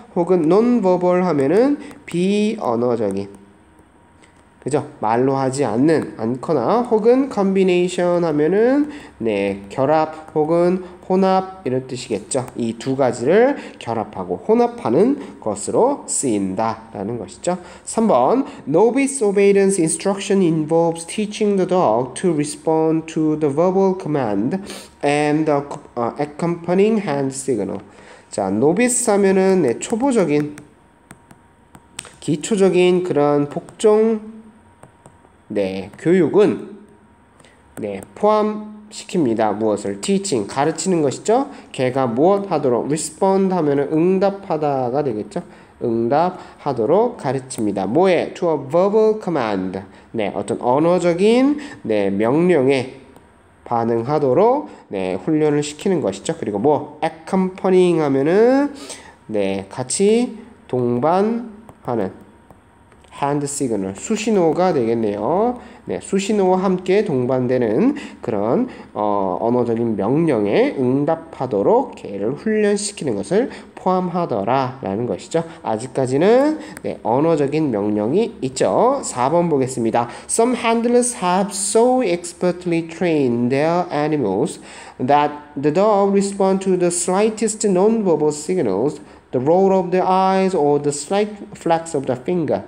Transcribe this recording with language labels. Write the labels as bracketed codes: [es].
[ko] 혹은 non-verbal 하면은 비언어적인. 그죠? 말로 하지 않는, 않거나 혹은 combination 하면은 네, 결합 혹은 혼합 이런 뜻이겠죠. 이 두 가지를 결합하고 혼합하는 것으로 쓰인다라는 것이죠. 3번 [en] Novice obedience instruction involves teaching the dog to respond to the verbal command and the accompanying hand signal. [ko] 자, novice 하면은 네, 초보적인 기초적인 그런 복종 네, 교육은 네, 포함시킵니다. 무엇을 teaching, 가르치는 것이죠. 걔가 무엇 하도록 respond 하면은 응답하다가 되겠죠. 응답하도록 가르칩니다. 뭐에? [en] to a verbal command. [ko] 네, 어떤 언어적인 네, 명령에 반응하도록 네, 훈련을 시키는 것이죠. 그리고 뭐 accompanying 하면은 네, 같이 동반하는 [en] hand signal, [ko] 수신호가 되겠네요. 네, 수신호와 함께 동반되는 그런 언어적인 명령에 응답하도록 개를 훈련시키는 것을 포함하더라라는 것이죠. 아직까지는 네, 언어적인 명령이 있죠. 4번 보겠습니다. [en] Some handlers have so expertly trained their animals that the dog responds to the slightest non-verbal signals, the roll of the eyes or the slight flex of the finger.